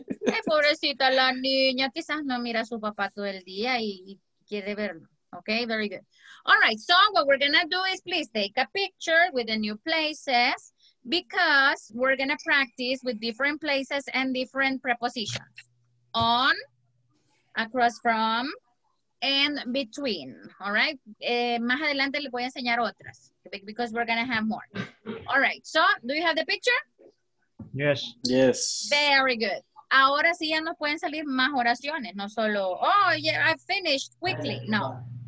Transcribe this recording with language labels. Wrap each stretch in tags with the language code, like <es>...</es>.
<es>Ay, pobrecita la niña, quizás no mira a su papá todo el día y quiere verlo.</es> <en>Okay, very good. All right, so what we're gonna do is please take a picture with the new places because we're gonna practice with different places and different prepositions. On, across from, and between. All right,</en> <es>más adelante le voy a enseñar otras</es> <en>because we're gonna have more. All right, so do you have the picture? Yes. Yes. Very good.</en> <es>Ahora sí ya nos pueden salir más oraciones, no solo,</es> <en>oh, yeah, I finished quickly.</en> <es>No.</es>